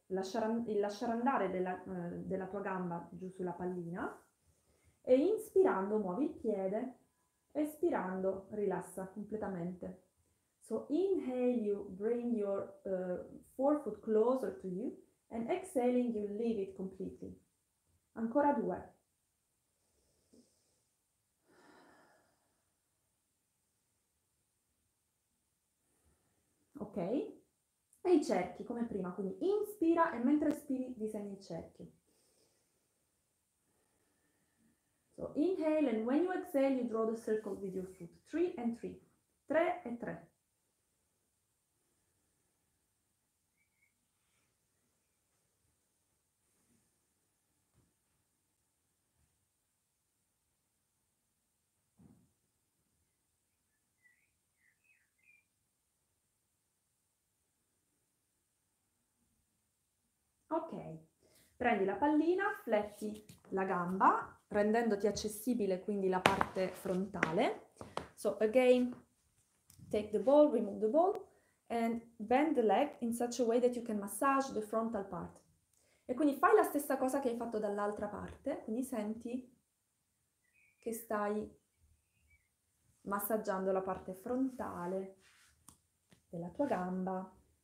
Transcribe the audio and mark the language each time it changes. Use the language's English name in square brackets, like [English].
[Italian] Lasciare andare della tua gamba giù sulla pallina e inspirando muovi il piede, espirando rilassa completamente. [English] So inhale you bring your forefoot closer to you and exhaling you leave it completely. [Italian] Ancora due. Ok. E i cerchi come prima, quindi inspira e mentre espiri disegna i cerchi. [English] So inhale and when you exhale you draw the circle with your foot. 3 and 3. [Italian] 3 e 3. Ok, prendi la pallina, fletti la gamba, rendendoti accessibile quindi la parte frontale. [English] So, again, take the ball, remove the ball, and bend the leg in such a way that you can massage the frontal part. [Italian] E quindi fai la stessa cosa che hai fatto dall'altra parte, quindi senti che stai massaggiando la parte frontale della tua gamba.